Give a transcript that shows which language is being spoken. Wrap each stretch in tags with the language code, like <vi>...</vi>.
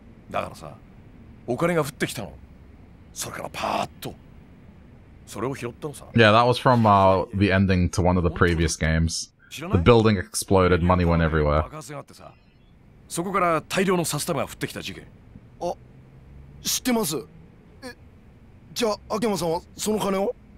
<ja>だからさ、お金が降ってきたの。それからパーッと。それを拾ったのさ。Yeah,</ja> <en>that was from the ending to one of the previous games. The building exploded, money went everywhere.</en> <ja>爆発があってさ、そこから大量のサスタムが降ってきた事件。あ、知ってます。え、じゃあ秋山さんはその金を?</ja>